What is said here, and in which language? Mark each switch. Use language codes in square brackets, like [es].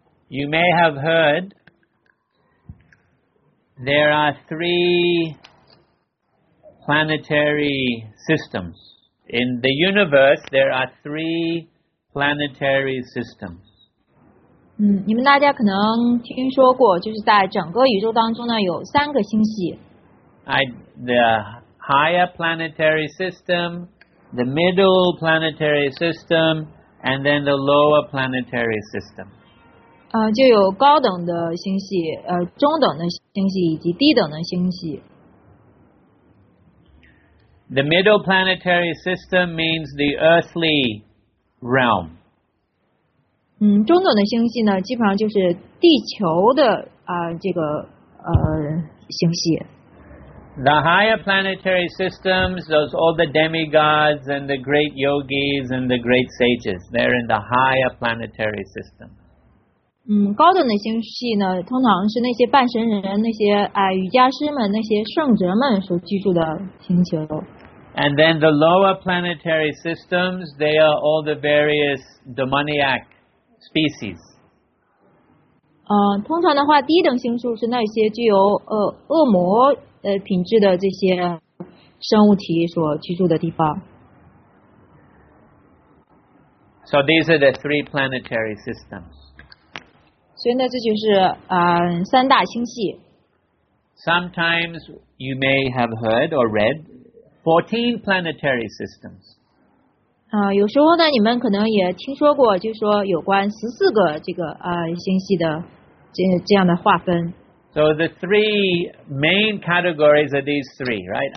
[en] You may have heard there are three planetary systems. In the universe, there are three planetary systems. [zh] 你们大家可能听说过，就是在整个宇宙当中呢，有三个星系。 [en] The higher planetary system, the middle planetary system, and then the lower planetary system. [zh] 就有高等的星系，中等的星系以及低等的星系。 [en] The middle planetary system means the earthly realm. [zh] 中等的星系呢，基本上就是地球的这个星系。 [en] The higher planetary systems, those all the demigods and the great yogis and the great sages, they're in the higher planetary system. [zh] 高等的星系呢，通常是那些半神人、那些瑜伽师们、那些圣哲们所居住的星球。 [en] And then the lower planetary systems, they are all the various demoniac species. [zh] 通常的话，低等星宿是那些具有恶魔品质的这些生物体所居住的地方。 [en] So these are the three planetary systems. [zh] 所以呢，这就是三大星系。 [en] Sometimes you may have heard or read 14 planetary systems. [zh] 有时候呢，你们可能也听说过，就是说有关14个这个星系的这样的划分。 [en] So the three main categories are these three, right?